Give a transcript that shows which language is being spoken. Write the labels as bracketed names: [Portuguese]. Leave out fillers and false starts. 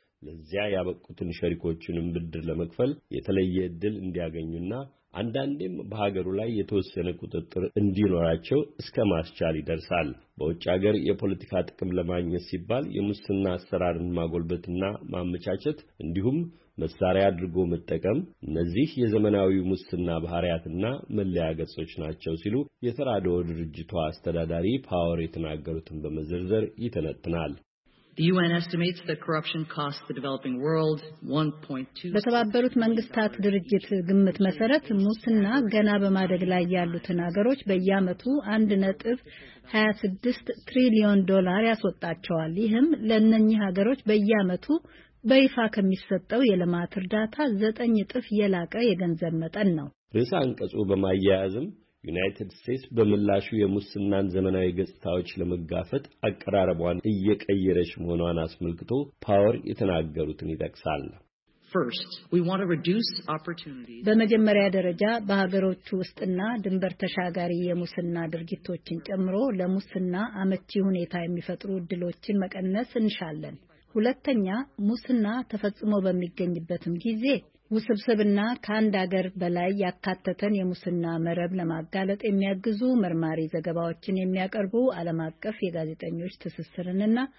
[Amharic] ለዚያ ያበቁትን ሸሪኮችንም ብድር ለመክፈል የተለየ ዕድል እንዲያገኙና አንዳንዴም በሀገሩ ላይ የተወሰነ ቁጥጥር እንዲኖራቸው እስከ ማስቻል ይደርሳል። በውጭ ሀገር የፖለቲካ ጥቅም ለማግኘት ሲባል የሙስና አሰራርን ማጎልበትና ማመቻቸት እንዲሁም መሳሪያ አድርጎ መጠቀም እነዚህ የዘመናዊ ሙስና ባህሪያትና መለያ ገጾች ናቸው ሲሉ የተራድኦ ድርጅቱ አስተዳዳሪ ፓወር የተናገሩትን በመዘርዘር ይተነትናል። [English] The UN estimates that corruption costs the developing world 1.2 [Amharic] በተባበሩት መንግስታት ድርጅት ግምት መሰረት ሙስና ገና በማደግ ላይ ያሉትን አገሮች በየአመቱ 1.26 ትሪሊዮን ዶላር ያስወጣቸዋል። ይህም ለነኚህ አገሮች በየአመቱ በይፋ ከሚሰጠው የልማት እርዳታ 9 እጥፍ የላቀ የገንዘብ መጠን ነው። ርዕሰ አንቀጹ በማያያዝም ዩናይትድ ስቴትስ በመላሹ የሙስናን ዘመናዊ ገጽታዎች ለመጋፈጥ አቀራረቧን እየቀየረች መሆኗን አስመልክቶ ፓወር የተናገሩትን ይጠቅሳል። [English] First, we want to reduce opportunities. [Amharic] በመጀመሪያ ደረጃ በሀገሮች ውስጥና ድንበር ተሻጋሪ የሙስና ድርጊቶችን ጨምሮ ለሙስና አመቺ ሁኔታ የሚፈጥሩ ድሎችን መቀነስ እንሻለን። ሁለተኛ ሙስና ተፈጽሞ በሚገኝበትም ጊዜ ውስብስብና ከአንድ አገር በላይ ያካተተን የሙስና መረብ ለማጋለጥ የሚያግዙ መርማሪ ዘገባዎችን የሚያቀርቡ ዓለም አቀፍ የጋዜጠኞች ትስስርንና